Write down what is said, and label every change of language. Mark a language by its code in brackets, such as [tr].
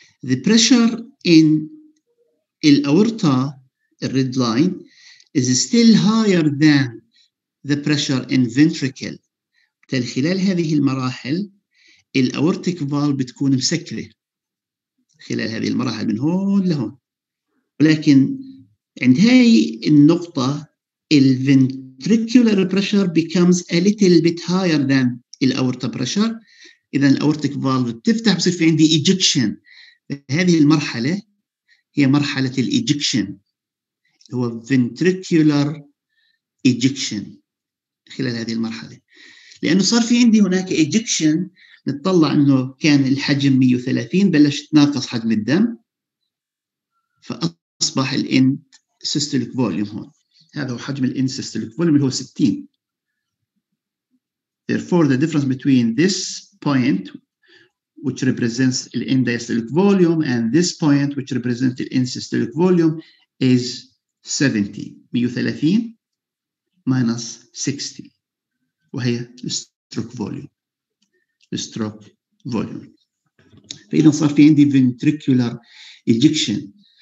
[en] The pressure in the aorta, the red line, is still higher than the pressure in ventricle. [ar] بتالي خلال هذه المراحل الأورتيك valve بتكون مسكرة خلال هذه المراحل من هون لهون. ولكن عند هاي النقطة ال ventricular pressure becomes a little bit higher than الأورتا بريشر، إذا الأورتيك فالف بتفتح بصير في عندي إيجكشن. هذه المرحلة هي مرحلة الإيجكشن اللي هو ventricular إيجكشن خلال هذه المرحلة، لأنه صار في عندي هناك إيجكشن نتطلع أنه كان الحجم 130 بلش تناقص حجم الدم، فأصبح الإند سيستوليك فوليوم هون هذا هو حجم الإند سيستوليك فوليوم اللي هو 60. [en] Therefore, the difference between this point, which represents the end diastolic volume, and this point, which represents the end systolic volume, is 70. 130 minus 60. [ar] وهي stroke volume. [en] Stroke volume. [ar] فإذا صار في عندي ventricular ejection.